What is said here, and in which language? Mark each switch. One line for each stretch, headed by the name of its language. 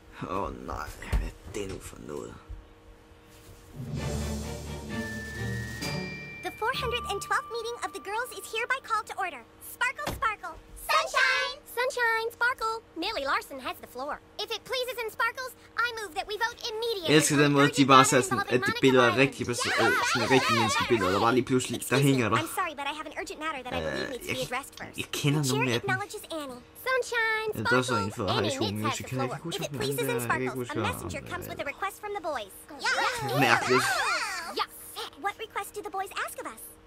Danish: Oh nej, hvad er det nu for noget?
English: The 412th meeting of the girls is hereby called to order. Sparkle, sparkle. Sunshine! Sunshine, sparkle. Millie Larson has the floor. If it pleases and sparkles, I move that we vote immediately.
Danish: Jeg elsker den måde, de bare sagde sådan, at det billede er rigtig sådan rigtig menneske billede, der bare lige pludselig, der hænger der.
English: I'm sorry, but I have an urgent matter that I believe needs to be addressed first.
Danish: Jeg kender nogen af dem.
English: Sunshine, sparkle.
Danish: Der er så en for High School Music.
English: If it pleases and sparkles, a messenger comes with a request from the boys.
Danish: Mærkeligt.
English: What request do the boys ask of us?